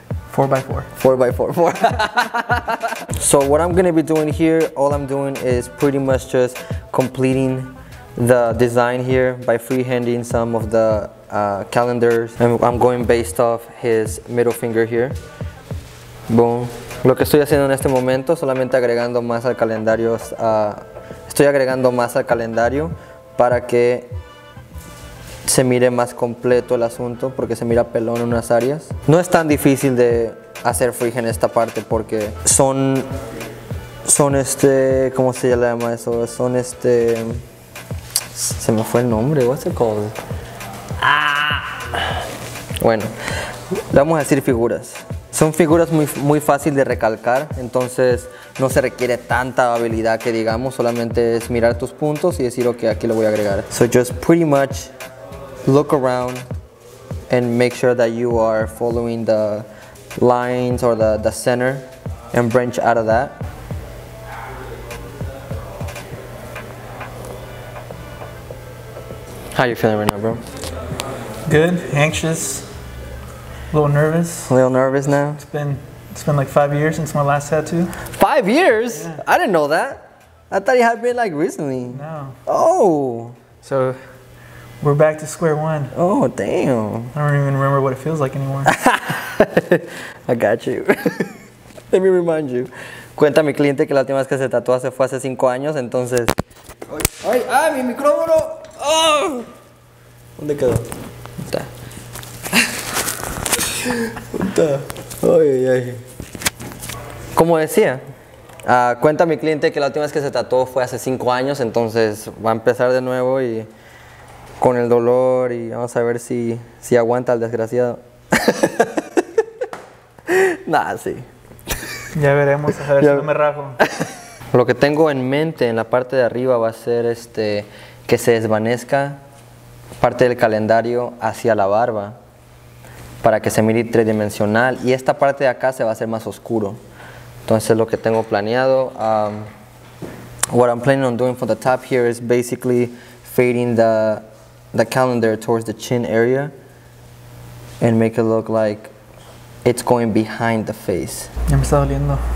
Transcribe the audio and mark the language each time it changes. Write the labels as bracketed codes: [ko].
[en] 4x4, four. So what I'm gonna be doing here, all I'm doing is pretty much just completing the design here by freehanding some of the calendars. And I'm going based off his middle finger here. Boom. [es] Lo que estoy haciendo en este momento, solamente agregando más al calendario, estoy agregando más al calendario para que se mire más completo el asunto, porque se mira pelón en unas áreas. No es tan difícil de hacer freehand esta parte porque son, ¿cómo se llama eso? Son Se me fue el nombre, [en] what's it called? [es] Bueno, vamos a decir figuras. Son figuras muy, muy fácil de recalcar, entonces no se requiere tanta habilidad que digamos, solamente es mirar tus puntos y decir, ok, aquí lo voy a agregar. [en] So just pretty much look around and make sure that you are following the lines or the center and branch out of that. How are you feeling right now, bro? Good, anxious. A little nervous. A little nervous now? It's been like 5 years since my last tattoo. 5 years? Yeah. I didn't know that. I thought it had been like recently. No. Oh. So we're back to square one. Oh, damn. I don't even remember what it feels like anymore. I got you. Let me remind you. [es] Cuenta mi cliente que la última vez que se tatuó se fue hace 5 años, entonces. Ay, ay, mi micrófono. Oh. ¿Dónde quedó? Puta. Ay, ay, ay. Como decía, cuenta mi cliente que la última vez que se tatuó fue hace 5 años, entonces va a empezar de nuevo y con el dolor y vamos a ver si aguanta el desgraciado. Nah, sí. Ya veremos, a ver ya. Si no me rajo. Lo que tengo en mente en la parte de arriba va a ser que se desvanezca parte del calendario hacia la barba, para que se mire tridimensional, y esta parte de acá se va a hacer más oscuro. Entonces lo que tengo planeado, [en] what I'm planning on doing for the top here is basically fading the calendar towards the chin area and make it look like it's going behind the face. [es] Ya me está doliendo.